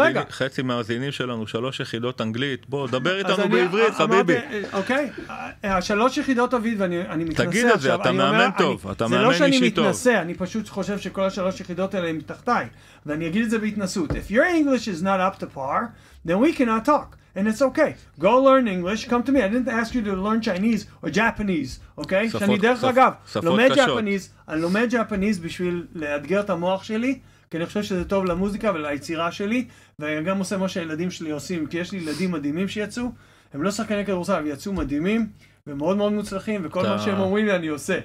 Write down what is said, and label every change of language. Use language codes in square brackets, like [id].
[he] חצי מהמאזינים שלנו, שלוש יחידות אנגלית, בוא, דבר איתנו בעברית, חביבי. אוקיי, שלוש יחידות עברית, ואני מתנסה עכשיו. תגיד את זה, אתה מאמן טוב, אתה מאמן אישי טוב. זה לא שאני מתנסה, אני פשוט חושב שכל השלוש יחידות האלה הן מתחתיי, ואני אגיד את זה בהתנסות. [en] If your English is not up to par, then we cannot talk, and it's okay. Go learn English, come to me. I didn't ask you to learn Chinese or Japanese, [he] אוקיי? שאני דרך אגב, לומד Japanese בשביל לאתגר את המוח שלי, כי אני חושב שזה טוב למוזיקה וליצירה שלי, ואני גם עושה מה שהילדים שלי עושים, כי יש לי ילדים מדהימים שיצאו, הם לא שחקני כדורסל, אבל יצאו מדהימים, ומאוד מאוד מוצלחים, וכל מה שהם אומרים לי אני עושה.